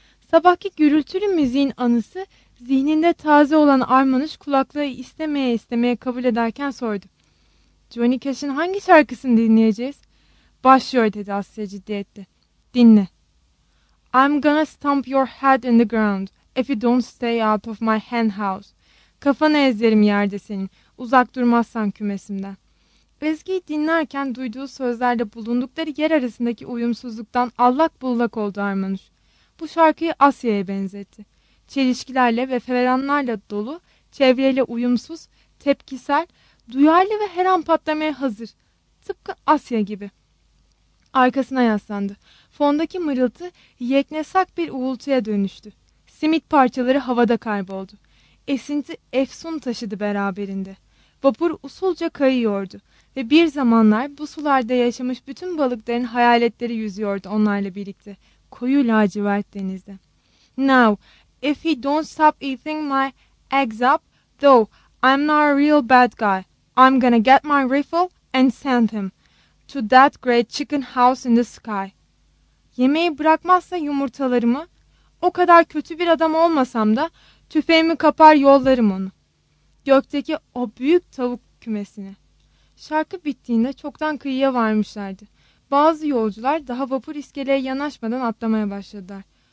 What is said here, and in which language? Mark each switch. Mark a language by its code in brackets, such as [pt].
[tr] Sabahki gürültülü müziğin anısı zihninde taze olan Armanış kulaklığı istemeye istemeye kabul ederken sordu. Johnny Cash'in hangi şarkısını dinleyeceğiz? Başlıyor dedi Asya ciddiyetle. Dinle. [en] I'm gonna stomp your head in the ground if you don't stay out of my hen house. [tr] Kafanı ezerim yerde senin, uzak durmazsan kümesimden. Ezgi'yi dinlerken duyduğu sözlerle bulundukları yer arasındaki uyumsuzluktan allak bullak oldu Armanuş. Bu şarkıyı Asya'ya benzetti. Çelişkilerle ve feveranlarla dolu, çevreyle uyumsuz, tepkisel, duyarlı ve her an patlamaya hazır. Tıpkı Asya gibi. Arkasına yaslandı. Fondaki mırıltı yeknesak bir uğultuya dönüştü. Simit parçaları havada kayboldu. Esinti efsun taşıdı beraberinde. Vapur usulca kayıyordu. Ve bir zamanlar bu sularda yaşamış bütün balıkların hayaletleri yüzüyordu onlarla birlikte. Koyu lacivert denizde. [en] Now, if he don't stop eating my eggs up, though I'm not a real bad guy, I'm gonna get my rifle and send him to that great chicken house in the sky. [tr] Yemeği bırakmazsa yumurtalarımı, o kadar kötü bir adam olmasam da tüfeğimi kapar yollarım onu. Gökteki o büyük tavuk kümesini. Şarkı bittiğinde çoktan kıyıya varmışlardı. Bazı yolcular daha vapur iskeleye yanaşmadan atlamaya başladılar.